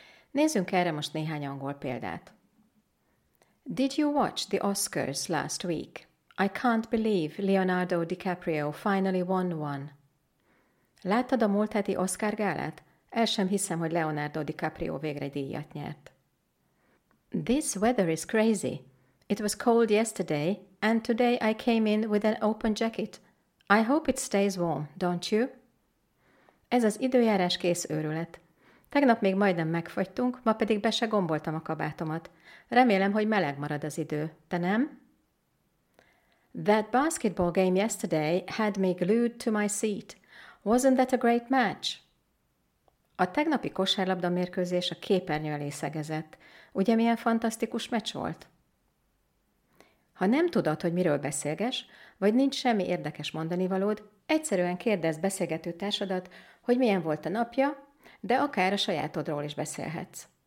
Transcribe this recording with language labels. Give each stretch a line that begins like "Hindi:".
Hungarian: Nézzünk erre most néhány angol példát.
English: Did you watch the Oscars last week? I can't believe Leonardo DiCaprio finally won one.
Hungarian: Láttad a múlt heti Oscar gálát? El sem hiszem, hogy Leonardo DiCaprio végre díjat nyert.
English: This weather is crazy. It was cold yesterday, and today I came in with an open jacket. I hope it stays warm, don't you?
Hungarian: Ez az időjárás kész őrület. Tegnap még majdnem megfagytunk, ma pedig be se gomboltam a kabátomat. Remélem, hogy meleg marad az idő. Te nem?
English: That basketball game yesterday had me glued to my seat. Wasn't that a great match?
Hungarian: A tegnapi kosárlabda mérkőzés a képernyő elé szegezett. Ugye milyen fantasztikus meccs volt? Ha nem tudod, hogy miről beszélges, vagy nincs semmi érdekes mondani valód, egyszerűen kérdezz beszélgető társadat, hogy milyen volt a napja, de akár a sajátodról is beszélhetsz.